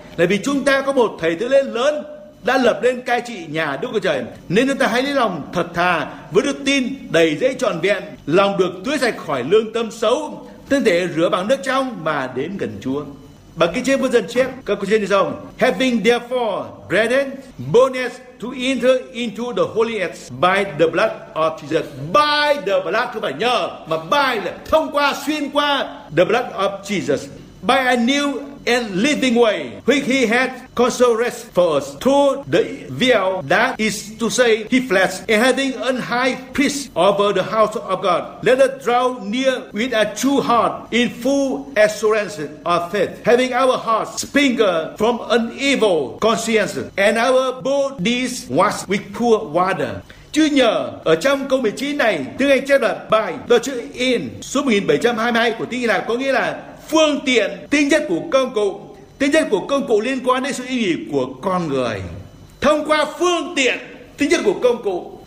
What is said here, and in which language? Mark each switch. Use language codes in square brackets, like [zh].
[vi] Là vì chúng ta có một thầy tế lễ lớn đã lập lên cai trị nhà Đức Chúa Trời, nên chúng ta hãy lấy lòng thật thà với đức tin đầy dẫy trọn vẹn, lòng được tưới sạch khỏi lương tâm xấu, thân thể rửa bằng nước trong mà đến gần Chúa. Bằng kinh chiếc vô dân chép, các câu chuyện như sau: [en] having therefore, brethren, boldness to enter into the holiest by the blood of Jesus. By the blood, [vi] không phải nhờ, mà by là thông qua, xuyên qua [en] the blood of Jesus. By a new and living way, which he had consecrated for us through the veil, that is to say, his flesh, and having an high priest over the house of God, let us draw near with a true heart in full assurance of faith, having our hearts sprinkled from an evil conscience, and our bodies washed with pure water. [vi] Chứ nhờ ở trong câu 19 này, tiếng Anh chép là by, đó chữ in, số 1722 của tiếng Hy Lạp có nghĩa là phương tiện, tính chất của công cụ. Tính chất của công cụ liên quan đến sự ý nghĩa của con người. Thông qua phương tiện, tính chất của công cụ.